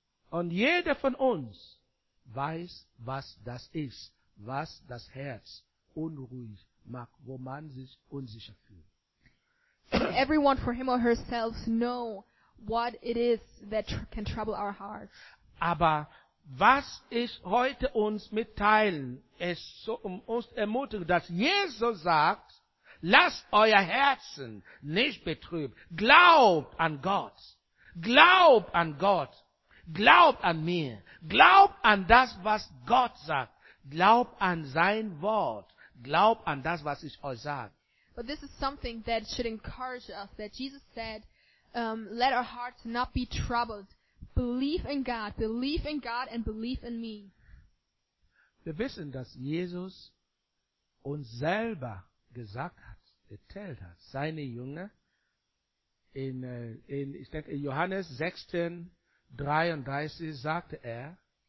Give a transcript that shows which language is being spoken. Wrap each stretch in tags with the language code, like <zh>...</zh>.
<de>Und jeder von uns weiß, was das ist, was das Herz unruhig macht, wo man sich unsicher fühlt.</de> <en>And everyone for him or herself know what it is that can trouble our hearts.</en> <de>Aber was ich heute uns mitteilen, ist so uns ermutigen, dass Jesus sagt, lasst euer Herzen nicht betrübt. Glaubt an Gott. Glaubt an Gott. Glaubt an mir. Glaubt an das, was Gott sagt. Glaubt an sein Wort. Glaubt an das, was ich euch sage.</de> <en>But this is something that should encourage us, that Jesus said, let our hearts not be troubled. Believe in God and believe in me.</en> <de>Wir wissen, dass Jesus uns selber gesagt hat, erzählt hat, seine Jünger, in Johannes 16, 33 sagte er,</de>